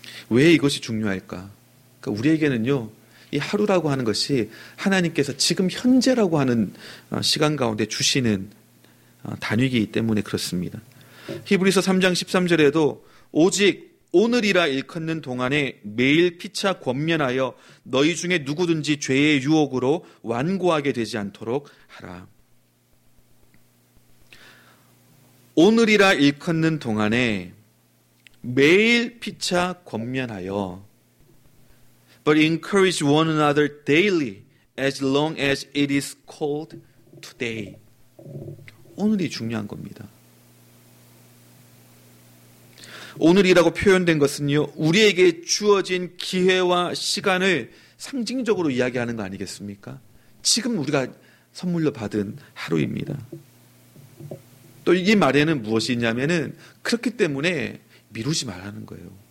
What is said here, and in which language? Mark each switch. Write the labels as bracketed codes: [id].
[ko] 왜 이것이 중요할까? 그러니까 우리에게는요, 이 하루라고 하는 것이 하나님께서 지금 현재라고 하는 시간 가운데 주시는 단위이기 때문에 그렇습니다. 히브리서 3장 13절에도 오직 오늘이라 일컫는 동안에 매일 피차 권면하여 너희 중에 누구든지 죄의 유혹으로 완고하게 되지 않도록 하라. 오늘이라 일컫는 동안에 매일 피차 권면하여, [en] but encourage one another daily as long as it is called today. [ko] 오늘이 중요한 겁니다. 오늘이라고 표현된 것은요, 우리에게 주어진 기회와 시간을 상징적으로 이야기하는 거 아니겠습니까? 지금 우리가 선물로 받은 하루입니다. 또 이 말에는 무엇이 있냐면은 그렇기 때문에 미루지 말라는 거예요.